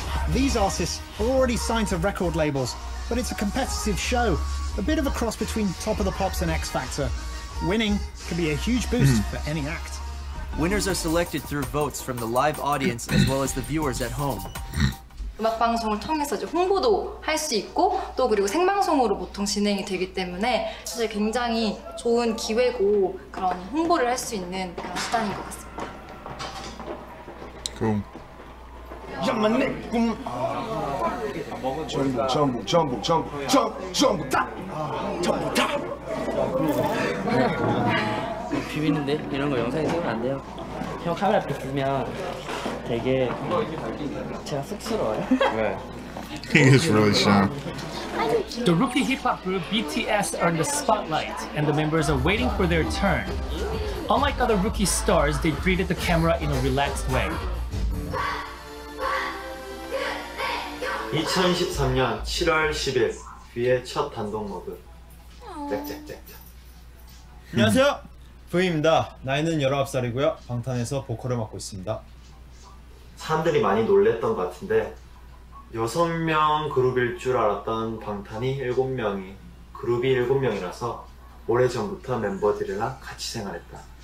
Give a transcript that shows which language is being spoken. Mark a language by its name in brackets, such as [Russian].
[English] These artists are already signed to record labels, but it's a competitive show, a bit of a cross between Top of the Pops and X Factor. Winning can be a huge boost for any act. Winners are selected through votes from the live audience as well as the viewers at home. [Korean] 음악 방송을 통해서 이제 홍보도 할 수 있고 또 그리고 생방송으로 보통 진행이 되기 때문에 사실 굉장히 좋은 기회고 그런 홍보를 할 수 있는 그런 수단인 것 같습니다. 그럼 좀 맞네. 꿈. 전부 전부 전부 전부 전부 전부 다. 전부 다. 비비는데 이런 거 영상에 쓰면 안 돼요. 형 카메라 앞에 두면 되게 제가 쑥스러워요. 왜? [English] He is really shy. The rookie hip-hop group BTS are in the spotlight, and the members are waiting for their turn. Unlike other rookie stars, they greeted the camera in a relaxed way. [Korean] 2013년 7월 10일 V의 첫 단독목을 짝짝짝짝. 안녕하세요. V입니다. 나이는 19살이고요. 방탄에서 보컬을 맡고 있습니다. 사람들이 많이 놀랬던 것 같은데 6명 그룹일 줄 알았던 방탄이 7명이 그룹이 7명이라서 오래전부터 멤버들이랑 같이 생활했다.